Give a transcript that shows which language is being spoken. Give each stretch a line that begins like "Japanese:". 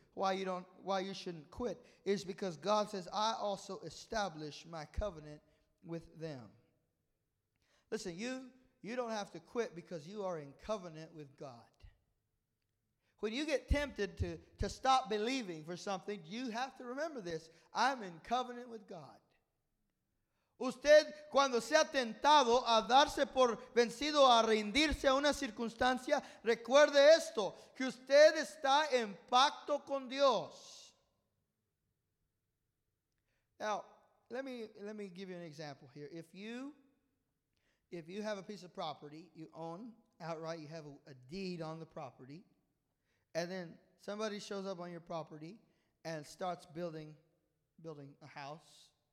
English: Why you shouldn't quit is because God says, I also establish my covenant with them. Listen, you don't have to quit because you are in covenant with God. When you get tempted to stop believing for something, you have to remember this. I'm in covenant with God.
Spanish: Usted, cuando sea tentado a darse por vencido, a rendirse a una circunstancia, recuerde esto, que usted está en pacto con Dios.
English: Now, let me give you an example here. If you have a piece of property you own outright, you have a deed on the property, and then somebody shows up on your property and starts building a house.